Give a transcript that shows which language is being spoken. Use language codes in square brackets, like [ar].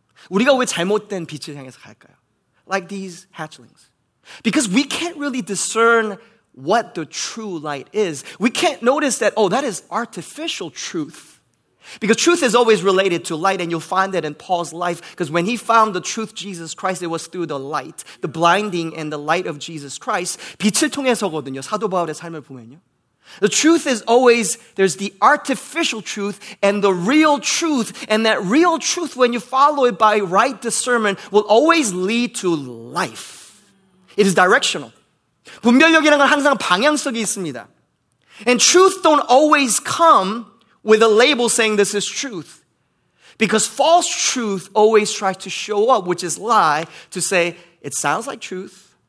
[ko] 우리가 왜 잘못된 빛을 향해서 갈까요? [en] Like these hatchlings. Because we can't really discern what the true light is. We can't notice that, oh, that is artificial truth. Because truth is always related to light, and you'll find that in Paul's life, because when he found the truth, Jesus Christ, it was through the light, the blinding and the light of Jesus Christ. [ko] 빛을 통해서거든요, 사도 바울의 삶을 보면요. [en] The truth is always, there's the artificial truth and the real truth, and that real truth, when you follow it by right discernment, will always lead to life. It is directional. [ko] 분별력이라는 건 항상 방향성이 있습니다. [en] And truth don't always come with a label saying this is truth. Because false truth always tries to show up, which is lie, to say it sounds like truth.